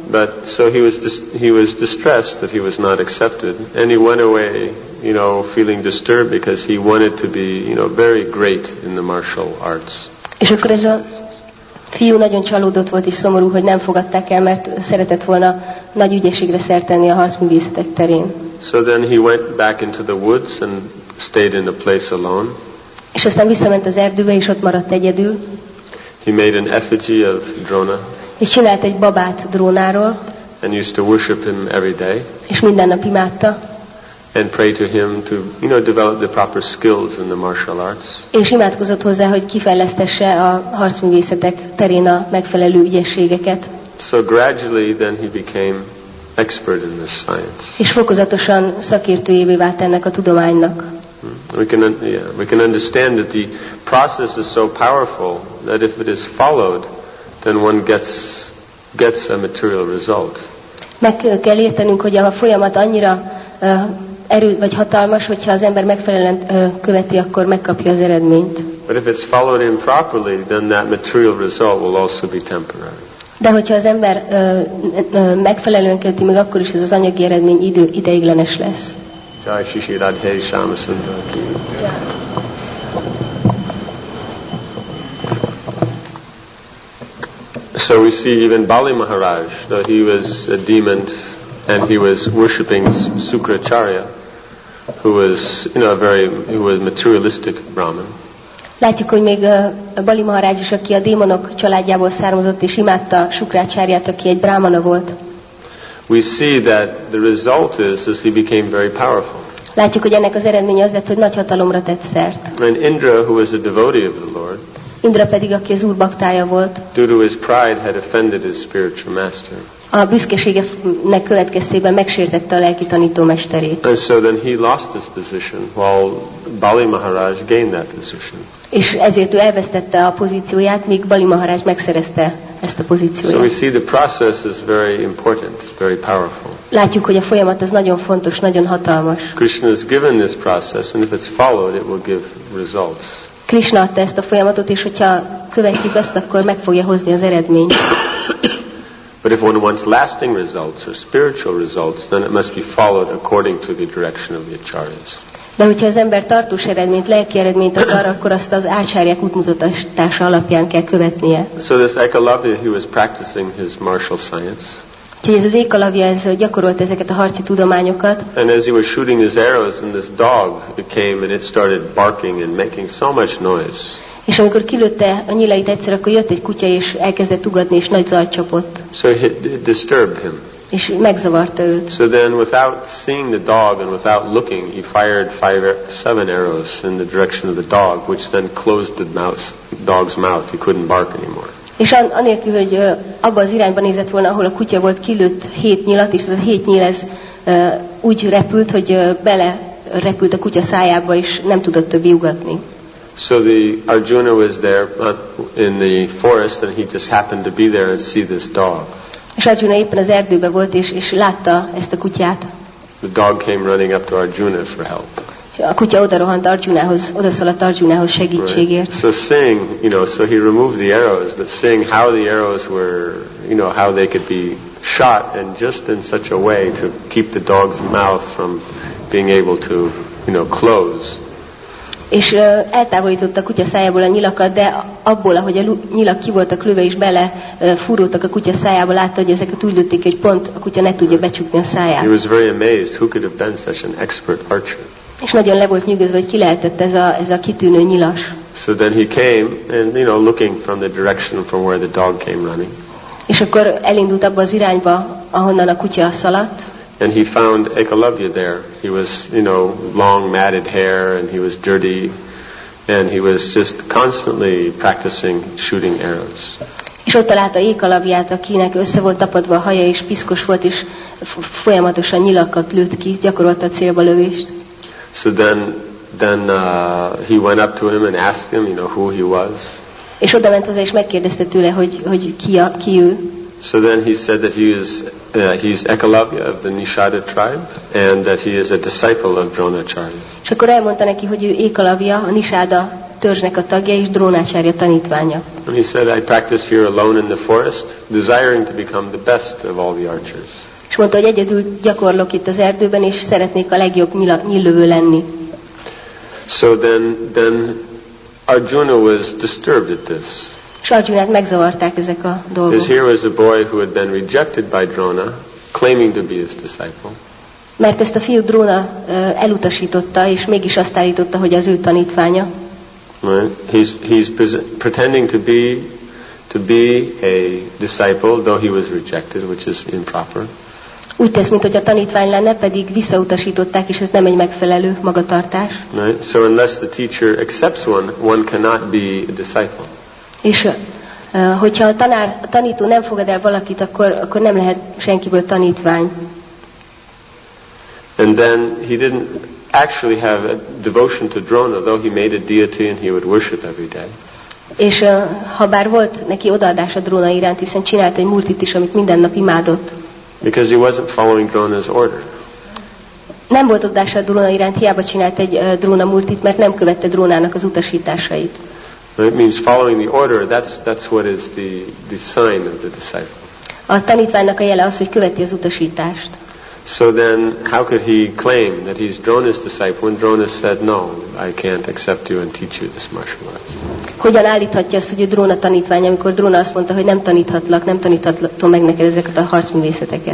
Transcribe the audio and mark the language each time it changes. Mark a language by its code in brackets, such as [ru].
[en] But so he was distressed that he was not accepted, and he went away feeling disturbed because he wanted to be very great in the martial arts. [hu] És akkor ez a fiú nagyon csalódott volt és szomorú, hogy nem fogadták el, mert szeretett volna nagy ügyességre szert tenni a harcművészetek terén. [en] So then he went back into the woods and stayed in a place alone. [hu] És aztán visszament az erdőbe és ott maradt egyedül. [en] He made an effigy of Drona. [hu] És csinált egy babát Drónáról. [en] And used to worship him every day. [hu] És minden nap imádta. [en] And pray to him to develop the proper skills in the martial arts. [hu] És imádkozott hozzá, hogy kifejlesztesse a harcművészetek terén a megfelelő ügyességeket. [en] So gradually then he became expert in this science. [hu] És fokozatosan szakértőjévé vált ennek a tudománynak. [en] We can understand that the process is so powerful that if it is followed, then one gets a material result. [hu] Meg kell értenünk, hogy a folyamat annyira erőt vagy hatalmas, hogyha az ember megfelelően követi, akkor megkapja az eredményt. [en] But if it's followed improperly, then that material result will also be temporary. [hu] De hogyha az ember megfelelően követi, még akkor is ez az anyagi eredmény ideiglenes lesz. [sa] Jai Shishi Radhe Shamasundar. [en] So we see even Bali Maharaj, though he was a demon and he was worshipping Sukracharya, who was a very materialistic Brahmin. [hu] Látjuk, hogy még Bali Maharaj is, aki a démonok családjából származott és imádta Sukracharyát, aki egy brahmana volt. [en] We see that the result is he became very powerful. [hu] Látjuk, hogy ennek az eredménye az lett, hogy nagy hatalomra tett szert. [en] And Indra, who was a devotee of the Lord, [hu] Indra pedig, aki az úr baktája volt. [en] Due to his pride had offended his spiritual master. [hu] A büszkeségének következtében megsértette a lelki tanító mesterét. [en] And so then he lost his position, while Bali Maharaj gained that position. [hu] És ezért ő elvesztette a pozícióját, míg Bali Maharaj megszerezte ezt a pozícióját. [en] So we see the process is very important, very powerful. [hu] Látjuk, hogy a folyamat az nagyon fontos, nagyon hatalmas. [en] Krishna has given this process, and if it's followed, it will give results. [hu] Krishna adta ezt a folyamatot, és hogyha követjük azt, akkor meg fogja hozni az eredményt. [en] But if one wants lasting results or spiritual results, then it must be followed according to the direction of the acharyas. [hu] De hogyha az ember tartós eredményt, lelki eredményt akar, akkor azt az ácsárják útmutatása alapján kell követnie. [en] So this Ekalavya, he was practicing his martial science. [hu] Úgyhogy ez az Ekalavya, ez gyakorolt ezeket a harci tudományokat. [en] And as he was shooting his arrows, and this dog came and it started barking and making so much noise. [hu] És amikor kilőtte a nyilait egyszer, akkor jött egy kutya és elkezdett ugatni és nagy zajt csapott. [en] So it disturbed him. [hu] És megzavarta őt. [en] So then without seeing the dog and without looking, he fired 5-7 arrows in the direction of the dog, which then closed the dog's mouth. He couldn't bark anymore. [hu] És anélkül, hogy abba az irányba nézett volna, ahol a kutya volt, kilőtt 7 nyilat, és az a 7 nyíl ez úgy repült, hogy bele repült a kutya szájába, és nem tudott többi ugatni. [en] So the Arjuna was there in the forest, and he just happened to be there and see this dog. [hu] És Arjuna éppen az erdőbe volt, és látta ezt a kutyát. [en] The dog came running up to Arjuna for help. [hu] A kutya odarohant Arjunához, odaszaladt Arjunához segítségért. [en] Right. So seeing, you know, so he removed the arrows, but seeing how the arrows were, you know, how they could be shot, and just in such a way to keep the dog's mouth from being able to, you know, close. [hu] És eltávolította a kutya szájából a nyilakat, de abból, ahogy a nyilak ki voltak lőve és bele fúrótak a kutya szájába, látta, hogy ezeket úgy lőtték, hogy pont a kutya ne tudja becsukni a száját. [en] He was very amazed, who could have been such an expert archer. [hu] És nagyon le volt nyűgözve, hogy ki lehetett ez a kitűnő nyilas. [en] So then he came, and you know, looking from the direction from where the dog came running. [hu] És akkor elindult abba az irányba, ahonnan a kutya szaladt. [en] And he found Ekalavya there. He was, you know, long matted hair, and he was dirty, and he was just constantly practicing shooting arrows. [hu] És ott találta Ekalavyát, akinek össze volt tapadva a haja, és piszkos volt, és folyamatosan nyilakat lőtt ki, gyakorolta a célba lövést. [en] So then he went up to him and asked him, you know, who he was. [hu] És odament hozzá, és megkérdezte tőle, hogy ki ő. [en] So then he said that he is Ekalavya of the Nishada tribe, and that he is a disciple of Dronacharya. [hu] És akkor elmondta neki, hogy ő Ekalavya, a Nishada törzsnek a tagja és Dronacharya tanítványa. [en] And he said, I practice here alone in the forest, desiring to become the best of all the archers. [hu] És mondta, hogy egyedül gyakorlok itt az erdőben, és szeretnék a legjobb nyíllövő lenni. [en] So then Arjuna was disturbed at this. [hu] És Arjunát megzavarták ezek a dolgok. [en] Because here was a boy who had been rejected by Drona, claiming to be his disciple. [hu] Mert ezt a fiú Drona elutasította, és mégis azt állította, hogy az ő tanítványa. [en] Right. He's pretending to be a disciple, though he was rejected, which is improper. [hu] Úgy tesz, mint hogy a tanítvány lenne, pedig visszautasították, és ez nem egy megfelelő magatartás. [en] Right. So unless the teacher accepts one cannot be a disciple. [hu] És hogyha a tanító nem fogad el valakit, akkor nem lehet senkiből tanítvány. [en] And then he didn't actually have a devotion to Drona, though he made a deity and he would worship every day. [hu] És ha bár volt neki odaadás a Drona iránt, hiszen csinált egy multit is, amit minden nap imádott. [en] Because he wasn't following Drona's order. [hu] Nem volt odaadás a Drona iránt, hiába csinált egy Drona multit, mert nem követte Drónának az utasításait. [en] It means following the order, that's what is the sign of the disciple. [hu] A tanítványnak a jele az, hogy követi az utasítást. [en] So then how could he claim that he's Drona's disciple when Drona said, no, I can't accept you and teach you this martial arts? [hu] Hogyan állíthatja azt, hogy a Drona tanítvány, amikor Drona azt mondta, hogy nem taníthatom meg neked ezeket a harcművészeteket?